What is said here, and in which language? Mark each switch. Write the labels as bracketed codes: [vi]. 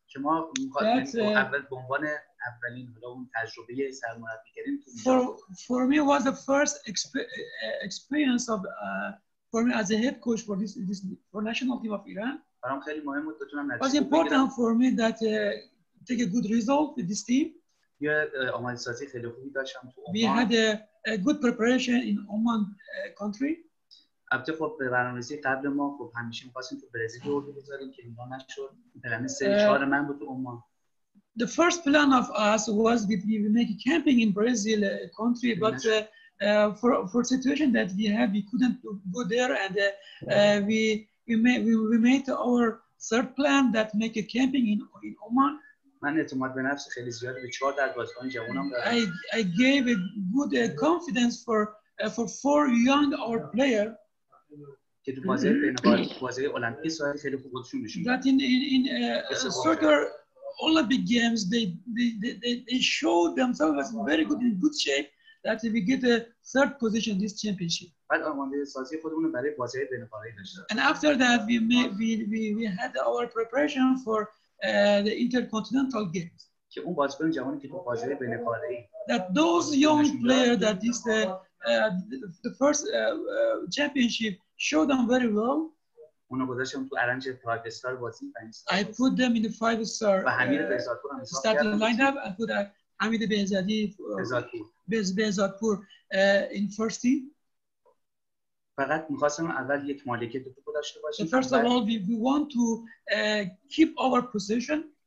[fa] که ما اولین حالا اون تجربه سرمربی کردیم تو [en] for me was the first experience of for me as a head coach for this for national team of Iran. [fa] برام خیلی مهم بود بتونم نتیجه بگیرم. [en] Important for me that take a good result with this team. [fa] یه آماده سازی خیلی خوبی داشتم تو عمان. [en] We had a good preparation in Oman country. [fa] البته خب به برنامه‌ریزی قبل ما خب همیشه می‌خواستیم تو برزیل اردو بذاریم که اینجا نشد. برنامه سری 4 من بود تو عمان. [en] The first plan of us was that we would make a camping in Brazil country, but for situation that we have, we couldn't go there, and we made our third plan that make a camping in Oman. [fa] من اعتماد به نفس خیلی زیاد به 4 بازیکن جوانم دارم. [en] I gave a good confidence for 4 young our player. [fa] که تو بازی بین‌المللی بازی المپیک سوال خیلی خوب خودشون نشون داد. [en] In soccer Olympic games they showed themselves as very good shape that we get a third position this championship. [fa] بعد آماده سازی خودمون برای بازی بین‌المللی داشتیم. [en] And after that we had our preparation for the intercontinental games. [fa] که اون بازیکن جوانی که تو بازی بین‌المللی [en] that those young player that is the first championship showed them very well. [fa] اونا گذاشتم تو ارنج [en] 5 star [fa] بازی کردن. [en] I put them in the 5 star. [fa] و حمید بهزادپور هم [en] starting lineup. I put Hamid Behzadi Behzadpour in first team. [fa] فقط می‌خواستم اول یک مالکیت تو خود داشته باشم. [en] First of all we want to keep our position.